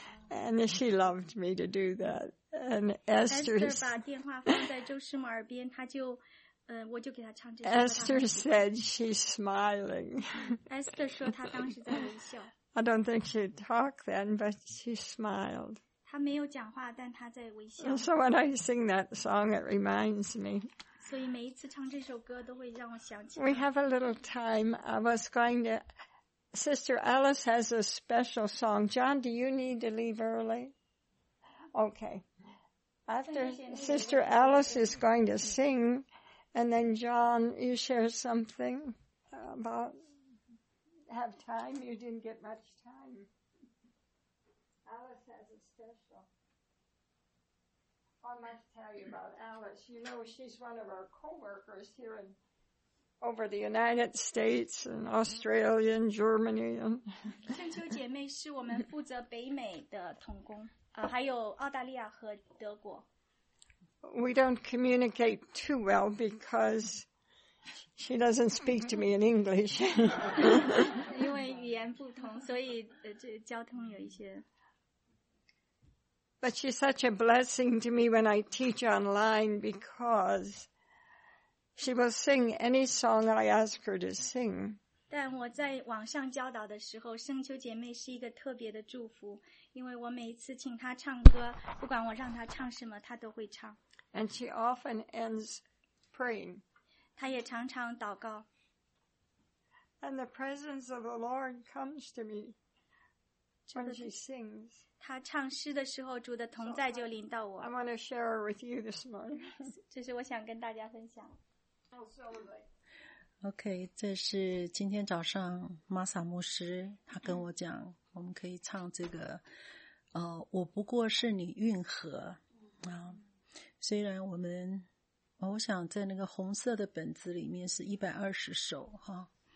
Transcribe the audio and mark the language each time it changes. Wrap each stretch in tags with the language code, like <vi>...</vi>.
<en>And she loved me to do that. And Esther said she's smiling.</en> <zh>Esther 说她当时在微笑。</zh> <en>I don't think she talked then, but she smiled.</en> <zh>她没有讲话，但她在微笑。</zh> <en>So when I sing that song, it reminds me.</en> <zh>所以每一次唱这首歌都会让我想起。</zh> <en>We have a little time. I was going to... Sister Alice has a special song. John, do you need to leave early? Okay. After Sister Alice is going to sing, and then John, you share something about... Have time? You didn't get much time. Alice has a special. I must tell you about Alice. You know, she's one of our co-workers here in over the United States and Australia and Germany.</en> <zh>春秋姐妹是我们负责北美的同工，还有澳大利亚和德国。</zh> <en>We don't communicate too well because she doesn't speak to me in English.</en> <zh>因为语言不同，所以这交通有一些。</zh> <en>But she's such a blessing to me when I teach online because she will sing any song I ask her to sing.</en> <zh>但我在网上教导的时候，圣秋姐妹是一个特别的祝福，因为我每一次请她唱歌，不管我让她唱什么，她都会唱。</zh> <en>And she often ends praying.</en> <zh>她也常常祷告。</zh> <en>And the presence of the Lord comes to me when she sings.</en> <zh>她唱诗的时候，主的同在就临到我。</zh> <en>I want to share with you this morning.</en> <zh>这是我想跟大家分享。 OK, 这是今天早上玛莎牧师他跟我讲我们可以唱这个我不过是你运河啊。虽然我们我想在那个红色的本子里面是120首啊。</zh>